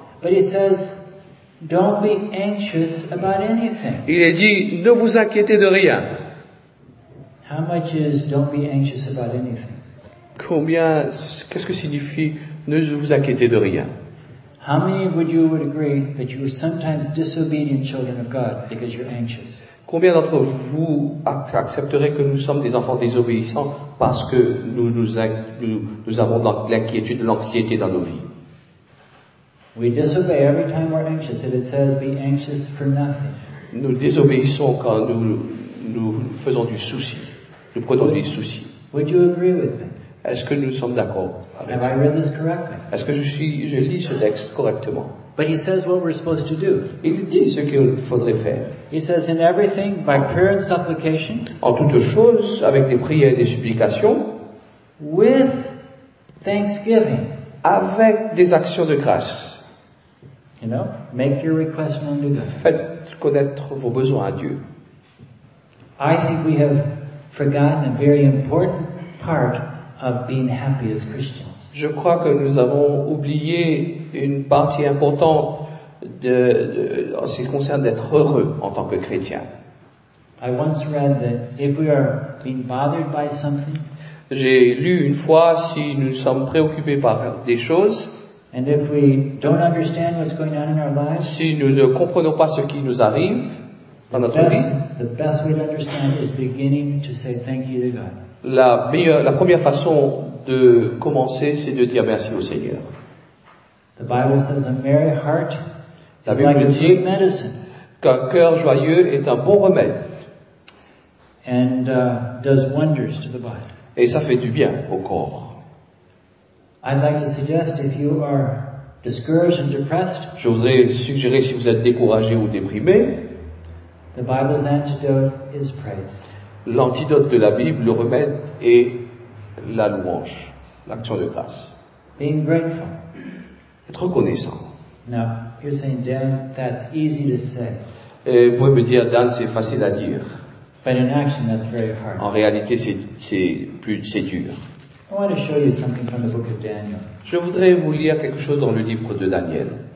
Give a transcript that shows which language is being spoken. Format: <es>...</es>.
<en>But he says, don't be anxious about anything.</en> <fr>Il est dit, ne vous inquiétez de rien.</fr> <en>How much is don't be anxious about anything?</en> <fr>Combien, qu'est-ce que signifie ne vous inquiétez de rien?</fr> <en>How many would you would agree that you are sometimes disobedient children of God because you're anxious?</en> <fr>Combien d'entre vous accepteraient que nous sommes des enfants désobéissants parce que nous avons de l'inquiétude, de l'anxiété dans nos vies?</fr> <en>We disobey every time we're anxious, and it says be anxious for nothing.</en> <fr>Nous désobéissons quand nous faisons du souci, nous prenons des soucis.</fr> <en>Would you agree with me?</en> <fr>Est-ce que nous sommes d'accord avec ça?</fr> <en>Have I read this correctly?</en> <fr>Est-ce que je lis ce texte correctement?</fr> <en>But he says what we're supposed to do.</en> <fr>Il dit ce qu'il faudrait faire.</fr> <en>He says in everything by prayer and supplication.</en> <fr>En toutes choses avec des prières et des supplications.</fr> <en>With thanksgiving.</en> <fr>Avec des actions de grâce.</fr> <en>You know, make your request known to God.</en> <fr>Faites connaître vos besoins à Dieu.</fr> <en>I think we have forgotten a very important part of being happy as Christians.</en> <fr>Je crois que nous avons oublié une partie importante en ce qui concerne d'être heureux en tant que chrétien.</fr> <en>I once read that if we are being bothered by something,</en> <fr>j'ai lu une fois, si nous sommes préoccupés par des choses,</fr> <en>and if we don't understand what's going on in our lives,</en> <fr>si nous ne comprenons pas ce qui nous arrive dans notre vie,</fr> <en>the best way to understand is beginning to say thank you to God.</en> <fr>La première façon de commencer, c'est de dire merci au Seigneur.</fr> <en>The Bible says a merry heart is</en> <fr>la Bible</fr> <en>like</en> <fr>dit</fr> <en>a good medicine.</en> <fr>Qu'un cœur joyeux est un bon remède.</fr> <en>And does wonders to the body.</en> <fr>Et ça fait du bien au corps.</fr> <en>I'd like to suggest if you are discouraged and depressed.</en> <fr>Je voudrais suggérer si vous êtes découragé ou déprimé.</fr> <en>The Bible's antidote is praise.</en> <fr>L'antidote de la Bible, le remède, est la louange, l'action de grâce.</fr> <en>Being grateful.</en> <fr>Être reconnaissant.</fr> <en>Now, you're saying, Dan, that's easy to say.</en> <fr>Et vous pouvez me dire, Dan, c'est facile à dire.</fr> <en>But in action, that's very hard.</en> <fr>En réalité, c'est dur.</fr> <en>I want to show you something from the book of Daniel.</en> <fr>Je voudrais vous lire quelque chose dans le livre de Daniel.</fr>